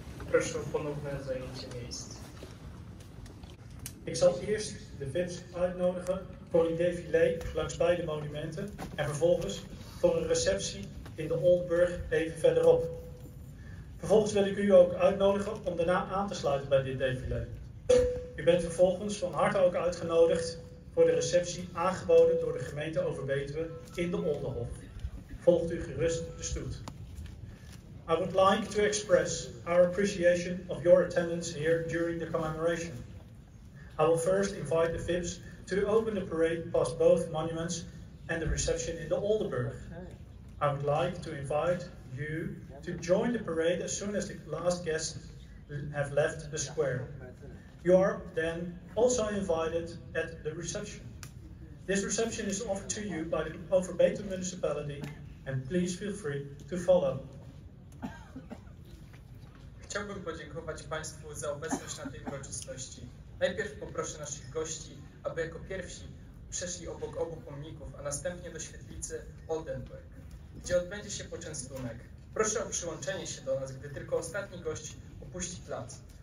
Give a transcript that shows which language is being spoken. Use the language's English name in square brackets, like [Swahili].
[Polish] Proszę ponowne zajęcie miejsc. [Dutch] Ik zal eerst de VIP's uitnodigen voor een défilé langs beide monumenten en vervolgens voor een receptie in de Oldenburg even verderop. Vervolgens wil ik u ook uitnodigen om daarna aan te sluiten bij dit défilé. U bent vervolgens van harte ook uitgenodigd voor de receptie aangeboden door de gemeente Overbetuwe in de Oldenhof. Volgt u gerust de stoet. [English] I would like to express our appreciation of your attendance here during the commemoration. I will first invite the VIPs to open the parade past both monuments and the reception in the Oldenburg. I would like to invite you to join the parade as soon as the last guests have left the square. You are then also invited at the reception. This reception is offered to you by the Overbetuwe municipality, and please feel free to follow. [Polish] Chciałbym podziękować Państwu za obecność na tej uroczystości. Najpierw poproszę naszych gości, aby jako pierwsi przeszli obok obu pomników, a następnie do świetlicy Oldenburg, gdzie odbędzie się poczęstunek. Proszę o przyłączenie się do nas, gdy tylko ostatni gość opuści plac.